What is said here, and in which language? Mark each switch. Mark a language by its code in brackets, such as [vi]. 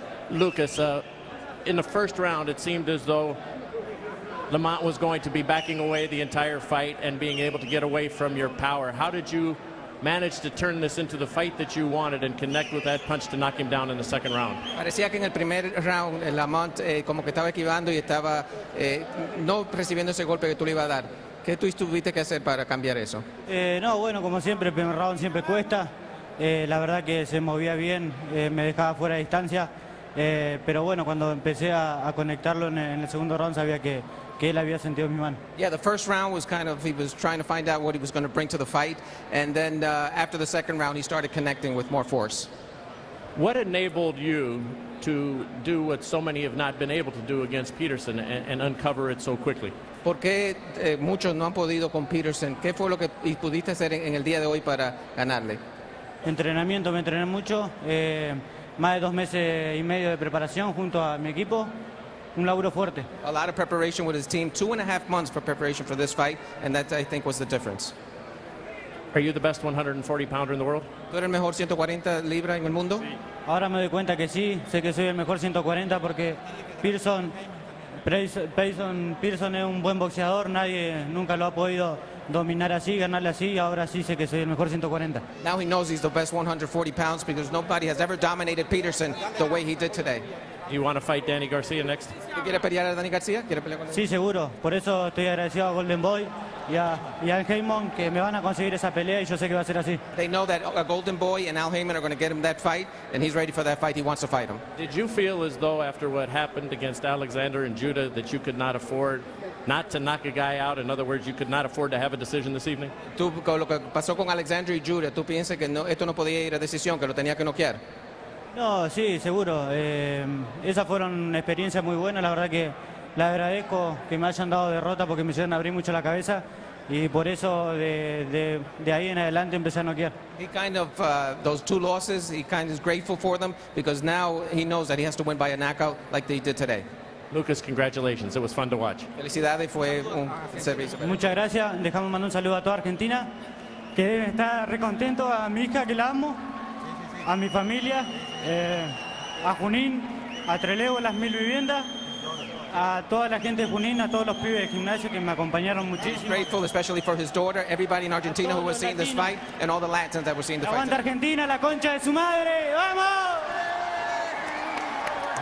[en] Lucas, in the first round, it seemed as though Lamont was going to be backing away the entire fight and being able to get away from your power. How did you manage to turn this into the fight that you wanted and connect with that punch to knock him down in the second round? [es] Parecía que en el primer round Lamont como que estaba esquivando y estaba no recibiendo ese golpe que tú le ibas a dar. ¿Qué tú tuviste que hacer para cambiar eso? Como siempre, el primer round siempre cuesta. La verdad que se movía bien, me dejaba fuera de distancia. Pero cuando empecé a conectarlo en el segundo round, sabía que él había sentido mi mano. [en] Yeah, the first round was kind of, he was trying to find out what he was going to bring to the fight. And then after the second round, he started connecting with more force. What enabled you to do what so many have not been able to do against Peterson and uncover it so quickly? [es] ¿Por qué muchos no han podido con Peterson? ¿Qué fue lo que pudiste hacer en el día de hoy para ganarle? Entrenamiento, me entrené mucho. Más de dos meses y medio de preparación junto a mi equipo. Un laburo fuerte. [en] A lot of preparation with his team. 2.5 months for preparation for this fight, and that, I think, was the difference. Are you the best 140-pounder in the world? [es] ¿Tú eres el mejor 140 libra en el mundo? Sí. Ahora me doy cuenta que sí. Sé que soy el mejor 140 porque Peterson... Peterson es un buen boxeador, nadie nunca lo ha podido dominar así, ganarle así, ahora sí sé que soy el mejor 140. [en] Now he knows he's the best 140 pounds because nobody has ever dominated Peterson the way he did today. You want to fight Danny Garcia next? [es] ¿Quiere pelear a Danny García? Sí, seguro. Por eso estoy agradecido a Golden Boy y a Al Heyman, que me van a conseguir esa pelea y yo sé que va a ser así. [en] They know that a Golden Boy and Al Heyman are going to get him that fight, and he's ready for that fight. He wants to fight him. Did you feel as though after what happened against Alexander and Judah that you could not afford not to knock a guy out? In other words, you could not afford to have a decision this evening? [es] ¿Tú, con lo que pasó con Alexander y Judah, tú piensas que no, esto no podía ir a decisión, que lo tenía que noquear? No, sí, seguro. Esas fueron experiencias muy buenas. La verdad que le agradezco que me hayan dado derrota porque me hicieron abrir mucho la cabeza. Y por eso de ahí en adelante empecé a noquear. [en] He kind of, those two losses, he kind of is grateful for them because now he knows that he has to win by a knockout like they did today. Lucas, congratulations. It was fun to watch. [es] Felicidades, fue un servicio. Muchas gracias. Dejamos mandar un saludo a toda Argentina. Que deben estar recontentos. A mi hija, que la amo. A mi familia. A Junín, a Trelevo, las mil viviendas, a toda la gente de Junín, a todos los pibes de gimnasio que me acompañaron muchísimo. [en] He's grateful especially for his daughter, everybody in Argentina who was seeing this fight, and all the Latins that were seeing the fight. [es] Aguanta Argentina, la concha de su madre, ¡vamos!